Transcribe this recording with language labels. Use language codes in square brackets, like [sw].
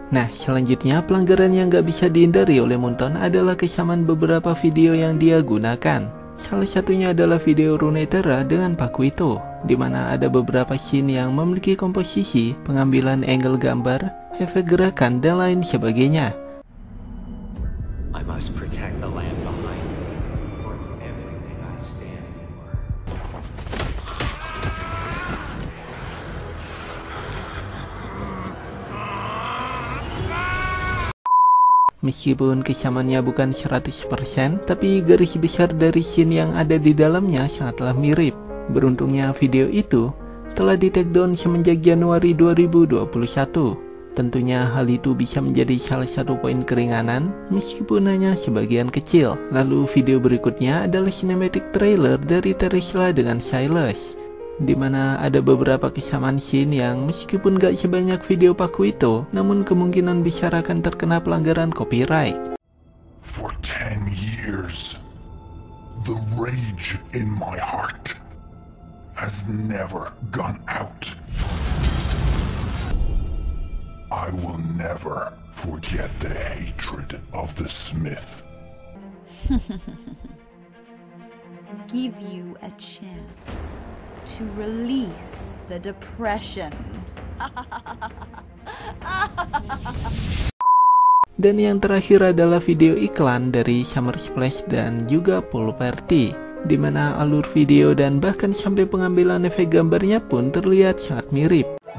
[id] Nah, selanjutnya pelanggaran yang gak bisa dihindari oleh Moonton adalah kesamaan beberapa video yang dia gunakan. Salah satunya adalah video Runeterra dengan Pakuito, di mana ada beberapa scene yang memiliki komposisi, pengambilan angle gambar, efek gerakan, dan lain sebagainya. [en] I must protect the land behind me, for it's everything I stand for. [id] Meskipun kesamaannya bukan 100%, tapi garis besar dari scene yang ada di dalamnya sangatlah mirip. Beruntungnya video itu telah di take down semenjak Januari 2021. Tentunya hal itu bisa menjadi salah satu poin keringanan, meskipun hanya sebagian kecil. Lalu video berikutnya adalah cinematic trailer dari Teresla dengan Silas, di mana ada beberapa kesamaan scene yang meskipun gak sebanyak video Pakuito, namun kemungkinan besar akan terkena pelanggaran copyright. [en] For 10 years, the rage in my heart has never gone out. I will never forget the hatred of the Smith. Give you a chance to release the depression. [id] Dan yang terakhir adalah video iklan dari Summer Splash dan juga Pool Party, di mana alur video dan bahkan sampai pengambilan efek gambarnya pun terlihat sangat mirip.